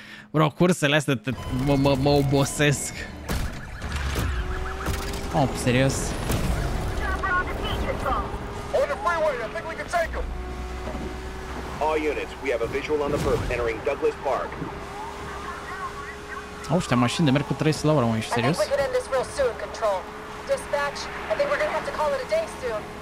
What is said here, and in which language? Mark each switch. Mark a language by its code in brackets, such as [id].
[ro] Bro, cursele astea mă obosesc. Oh, serios? [en] On the freeway, I think we can take him. All units, we have a visual on the perp entering Douglas Park. [ro] Oh, ăștia mașini de merg cu 3 la oră, mă, ești serios? [en] I think we can end this real soon, Control. Dispatch, I think we're gonna have to call it a day soon.